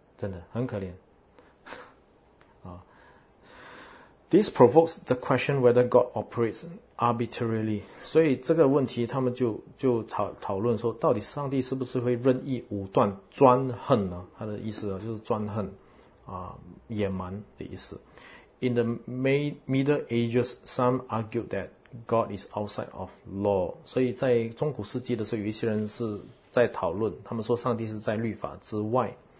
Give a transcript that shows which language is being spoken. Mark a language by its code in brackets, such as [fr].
[zh] 真的很可怜啊。 [en] This provokes the question whether God operates arbitrarily. [zh] 所以这个问题他们就讨论说，到底上帝是不是会任意武断专横呢？他的意思就是专横啊，野蛮的意思。 [en] In the Middle Ages, some argued that God is outside of law. [zh] 所以在中古世纪的时候，有一些人是在讨论，他们说上帝是在律法之外。